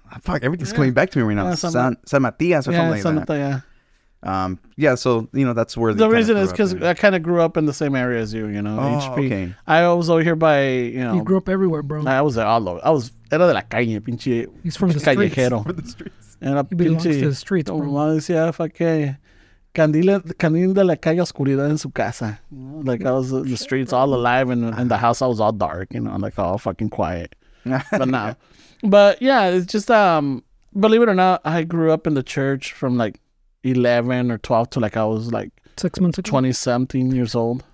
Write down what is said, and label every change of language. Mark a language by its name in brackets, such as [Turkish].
[English] Fuck, everything's coming back to me right now. San Matias or something like that. Yeah. Yeah, so, you know, that's where the reason is because I kind of grew up in the same area as you, you know. Oh, HP. Okay. I was over here by, you know. You grew up everywhere, bro. I was all over. I was, era de la calle, pinche. He's from the [Spanish] callejero. [English] Streets. From the streets. He belongs to the streets, bro. [Spanish] Mi mamá decía, candil de la calle oscuridad en su casa. [English] Like, I was in the streets all alive, and in the house I was all dark, you know, like all fucking quiet. But it's just, believe it or not, I grew up in the church from like 11 or 12 to like I was like 6 months ago, 20 something years old.